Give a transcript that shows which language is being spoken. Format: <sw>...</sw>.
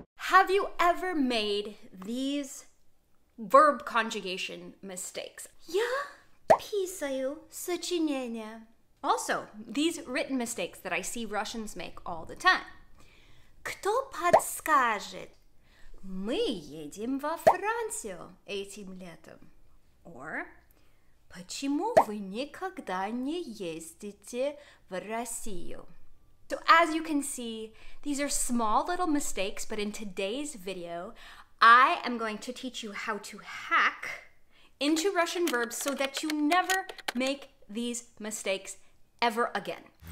<en>Have you ever made these verb conjugation mistakes?</en> <ru>Я писаю сочинение.</ru> <en>Also, these written mistakes that I see Russians make all the time.</en> <ru>Кто подскажет? Мы едем во Францию этим летом.</ru> <en>Or,</en> <ru>почему вы никогда не ездите в Россию?</ru> <en>So as you can see, these are small little mistakes, but in today's video, I am going to teach you how to hack into Russian verbs so that you never make these mistakes ever again.</en>